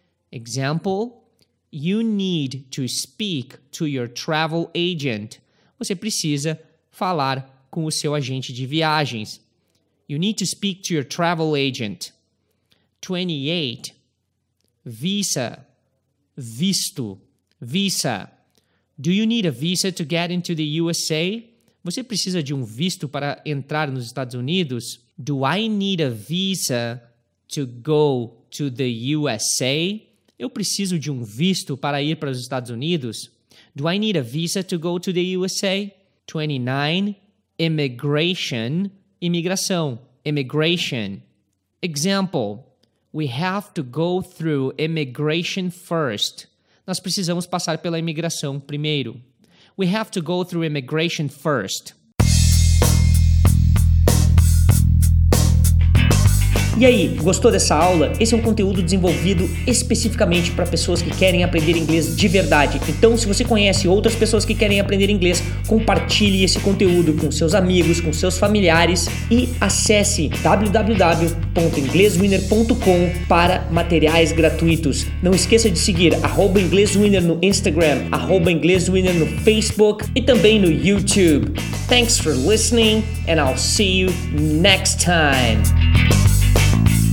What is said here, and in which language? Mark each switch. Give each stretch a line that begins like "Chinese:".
English: Example, you need to speak to your travel agent.
Portuguese: Você precisa falar com o seu agente de viagens.
English: You need to speak to your travel agent. 28. Visa. visto, visa. Do you need a visa to get into the USA?
Portuguese: Você precisa de um visto para entrar nos Estados Unidos?
English: Do I need a visa to go to the USA?
Portuguese: Eu preciso de um visto para ir para os Estados Unidos?
English: Do I need a visa to go to the USA? 29. Immigration. Imigração. Immigration. Example. We have to go through immigration first.
Portuguese: Nós precisamos passar pela imigração primeiro.
English: We have to go through immigration first.
Portuguese: E aí, gostou dessa aula? Esse é um conteúdo desenvolvido especificamente para pessoas que querem aprender inglês de verdade. Então, se você conhece outras pessoas que querem aprender inglês, compartilhe esse conteúdo com seus amigos, com seus familiares e acesse www.ingleswinner.com para materiais gratuitos. Não esqueça de seguir @ingleswinner no Instagram, @ingleswinner no Facebook e também no YouTube.
English: Thanks for listening and I'll see you next time. We'll be right back.